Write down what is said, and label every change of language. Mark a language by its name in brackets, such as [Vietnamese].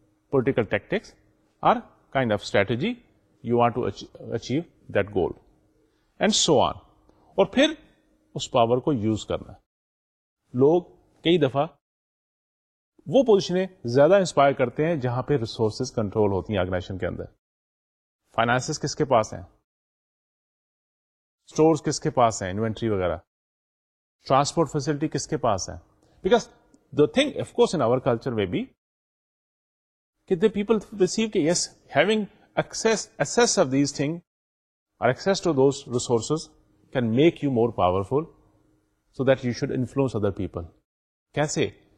[English] Political tactics are kind of strategy you want to achieve that goal and so on. [Urdu] اور پھر اس power کو use کرنا. لوگ کئی دفعہ وہ پوزیشنیں زیادہ انسپائر کرتے ہیں جہاں پہ ریسورسز کنٹرول ہوتی ہیں آرگنائزیشن کے اندر. فائنانسز کس کے پاس ہیں, اسٹورز کس کے پاس ہیں, انوینٹری وغیرہ, ٹرانسپورٹ فیسلٹی کس کے پاس ہیں. [English] Because the thing of course in our culture may be that the people perceive that yes, having access of these things or access to those resources can make you more powerful so that you should influence other people. Kaise?